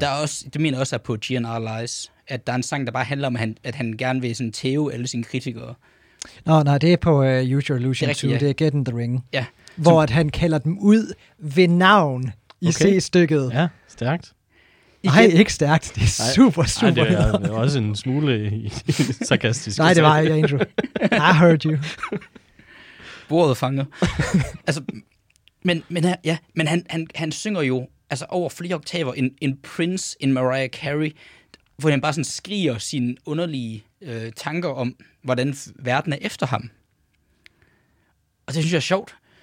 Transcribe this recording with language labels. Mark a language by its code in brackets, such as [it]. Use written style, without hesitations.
[da] Der er også, det mener også er på GNR Lies, at der er en sang, der bare handler om, at han gerne vil sådan tæve alle sine kritikere. Nå, nej, det er på Use Your Illusion 2, det er Get in the Ring. Ja. Hvor at han kalder dem ud ved navn i C-stykket. Ja, stærkt. Nej, ikke stærkt. Det er super. Det var også en smule sarkastisk. Nej, det var jeg, Andrew. [en] I heard you. [da] bordet fanget. Altså, men ja, men han synger jo altså over flere oktaver en Prince, en Mariah Carey, hvor han bare sådan skriger sine underlige tanker om, hvordan verden er efter ham. Og det synes jeg er sjovt.